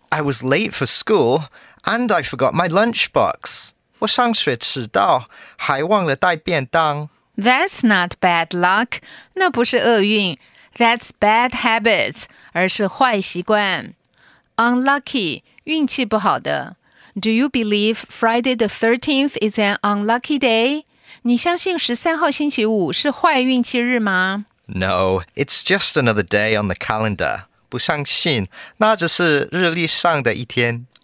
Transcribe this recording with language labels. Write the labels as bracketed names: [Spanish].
[English] I was late for school, and I forgot my lunchbox. [Chinese] 我上学迟到，还忘了带便当。 [English] That's not bad luck. [Chinese] 那不是厄运。 [English] That's bad habits. [Chinese] 而是坏习惯。 Unlucky, 运气不好的。 [English] Do you believe Friday the 13th is an unlucky day? [Chinese] 你相信13号星期五是坏运气日吗？ [English] No, it's just another day on the calendar. [Chinese] 不相信，那只是日历上的一天。